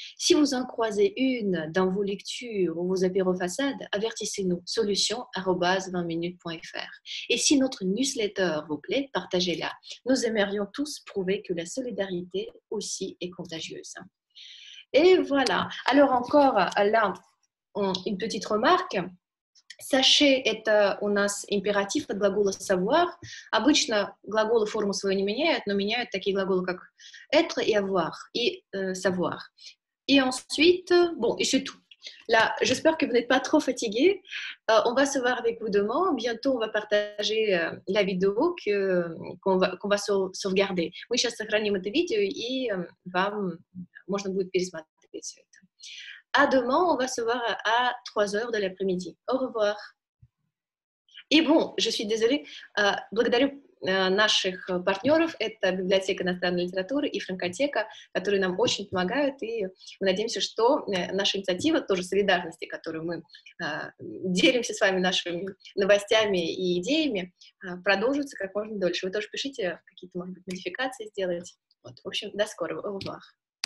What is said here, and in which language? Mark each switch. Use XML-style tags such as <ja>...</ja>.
<fr>Si vous en croisez une dans vos lectures ou vos apérofaçades, avertissez-nous. solution@20minutes.fr. Et si notre newsletter vous plaît, partagez-la. Nous aimerions tous prouver que la solidarité aussi est contagieuse. Et voilà. Alors encore, là, une petite remarque. Sachez,</fr> <ru>это у нас императив от глагола savoir. Обычно глаголы форму свою не меняют, но меняют такие глаголы, как être и avoir, и savoir.</ru> <fr>Et ensuite, bon, et c'est tout. Là, j'espère que vous n'êtes pas trop fatigués. On va se voir avec vous demain. Bientôt, on va partager la vidéo qu'on va sauvegarder.</fr> <ru>Мы сейчас сохраним это видео, и вам можно будет пересмотреть все это.</ru> <fr>À demain, on va se voir à 3h de l'après-midi. Au revoir. Et bon, je suis désolée.</fr> <ru>Благодарю наших партнеров — это библиотека иностранной литературы и Франкотека, которые нам очень помогают, и мы надеемся, что наша инициатива тоже солидарности, которую мы делимся с вами нашими новостями и идеями, продолжится как можно дольше. Вы тоже пишите, какие-то, может быть, модификации сделаете. Вот, в общем, до скорого. Увах!</ru>